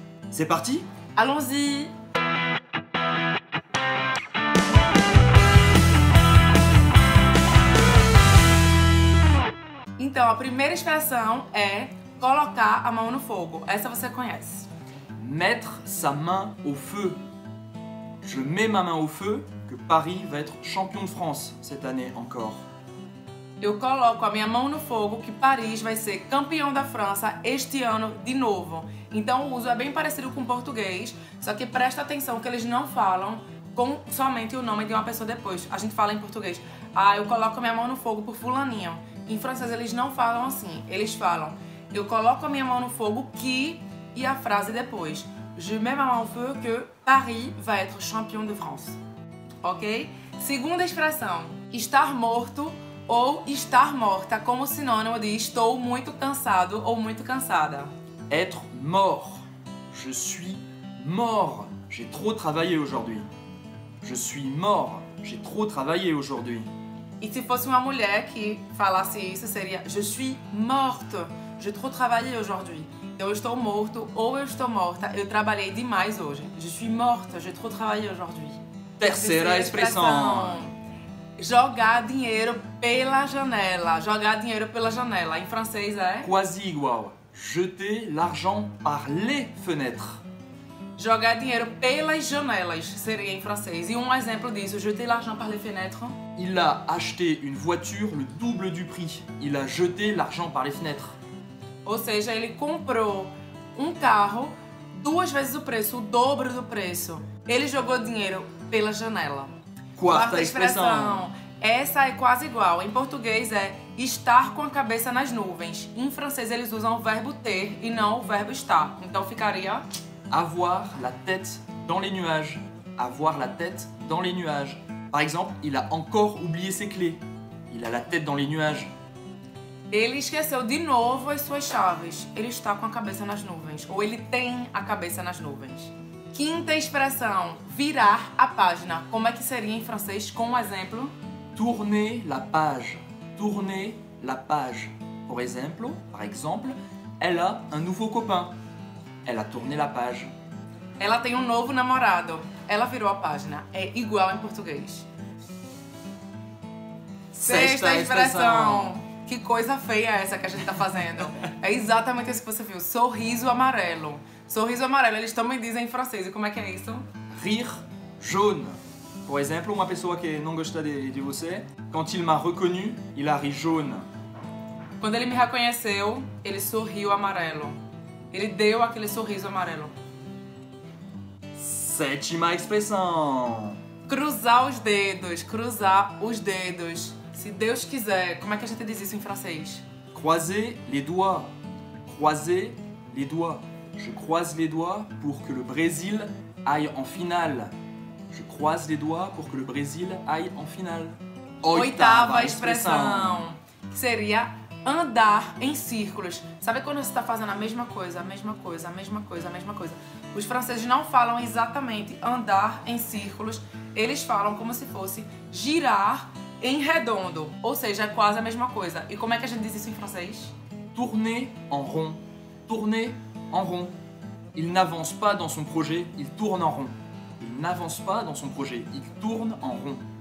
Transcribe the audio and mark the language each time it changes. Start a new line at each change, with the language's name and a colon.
French: C'est parti? Allons-y!
Portuguese: Então, a primeira expressão é colocar a mão no fogo. Essa você conhece.
French: Mettre sa main au feu. Je mets ma main au feu que Paris va être champion de France cette année encore.
Portuguese: Eu coloco a minha mão no fogo que Paris vai ser campeão da França este ano de novo. Então o uso é bem parecido com o português, só que presta atenção que eles não falam com somente o nome de uma pessoa depois. A gente fala em português, ah, eu coloco a minha mão no fogo por fulaninho. Em francês eles não falam assim, eles falam, eu coloco a minha mão no fogo que, e a frase depois. Je mets ma main au feu que Paris va être champion de France. Ok? Segunda expressão. Estar morto ou estar morta como sinônimo de estou muito cansado ou muito cansada.
French: Être mort. Je suis mort. J'ai trop travaillé aujourd'hui. Je suis mort. J'ai trop travaillé aujourd'hui.
Portuguese: E se fosse uma mulher que falasse isso, seria
French: je suis morte. J'ai trop travaillé aujourd'hui.
Portuguese: Eu estou morto ou eu estou morta. Eu trabalhei demais hoje.
French: Je suis morte. J'ai trop travaillé aujourd'hui.
Portuguese: Terceira expressão. Jogar dinheiro pela janela. Jogar dinheiro pela janela. Em francês é... Quasi igual.
French: Jeter l'argent par les fenêtres.
Portuguese: Jogar dinheiro pelas janelas seria em francês. E um exemplo disso.
French: Jeter l'argent par les fenêtres. Il a acheté une voiture le double du prix. Il a jeté l'argent par les fenêtres.
Portuguese: Ou seja, ele comprou um carro 2 vezes o preço, o dobro do preço. Ele jogou dinheiro pela janela. Quarta expressão. Essa é quase igual. Em português é estar com a cabeça nas nuvens. Em francês eles usam o verbo ter e não o verbo estar. Então ficaria...
French: Avoir la tête dans les nuages. Avoir la tête dans les nuages. Par exemple, il a encore oublié ses clés. Il a la tête dans les nuages.
Portuguese: Ele esqueceu de novo as suas chaves. Ele está com a cabeça nas nuvens. Ou ele tem a cabeça nas nuvens. Quinta expressão. Virar a página. Como é que seria em francês com um exemplo?
French: Tourner la page. Tourner la page.
Portuguese: Por exemplo,
French: par exemple, elle a un nouveau copain. Elle a tourné la page.
Portuguese: Ela tem um novo namorado. Ela virou a página. É igual em português. Sexta expressão. Que coisa feia essa que a gente tá fazendo. É exatamente isso que você viu. Sorriso amarelo. Sorriso amarelo, eles também dizem em francês. E como é que é isso?
French: Rire jaune.
Portuguese: Por exemplo, uma pessoa que não gosta de você.
French: Quand il m'a reconnu, il a ri jaune.
Portuguese: Quando ele me reconheceu, ele sorriu amarelo. Ele deu aquele sorriso amarelo. Sétima expressão. Cruzar os dedos. Cruzar os dedos. Se Deus quiser, como é que a gente diz isso em francês?
French: Croiser les doigts. Croiser les doigts. Je croise les doigts pour que le Brésil aille en finale. Je croise les doigts pour que le Brésil aille en finale.
Portuguese: Oitava expressão. Seria andar em círculos. Sabe quando você está fazendo a mesma coisa, a mesma coisa, a mesma coisa, a mesma coisa? Os franceses não falam exatamente andar em círculos. Eles falam como se fosse girar em redondo, ou seja, é quase a mesma coisa. E como é que a gente diz isso em francês?
French: Tourner en rond. Tourner en rond. Il n'avance pas dans son projet, il tourne en rond. Il n'avance pas dans son projet, il tourne en rond.